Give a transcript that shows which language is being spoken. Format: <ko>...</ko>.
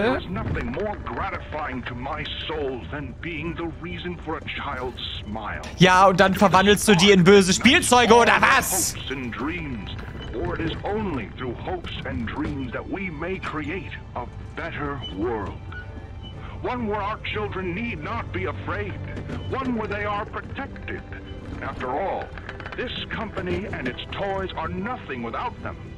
<en>There is nothing more gratifying to my soul than being the reason for a child's smile.</en> <de>Ja, und dann verwandelst du die in böse Spielzeuge oder was?</de> <en>For it is only through hopes and dreams that we may create a better world. One where our children need not be afraid. One where they are protected. After all, this company and its toys are nothing without them.</en>